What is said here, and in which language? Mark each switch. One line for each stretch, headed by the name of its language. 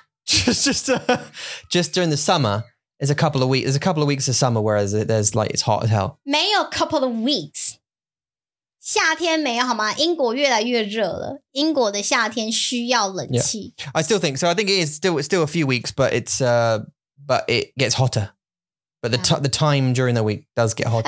English: Just during the summer, there's a couple of weeks. There's a couple of weeks of summer where there's like it's hot as hell.
Chinese: 没有
English: couple of weeks.
Chinese: 夏天没有好吗？英国越来越热了。英国的夏天需要冷气。
English: Yeah. I still think so. I think it's still a few weeks, but it gets hotter. But the time during the week does get hotter.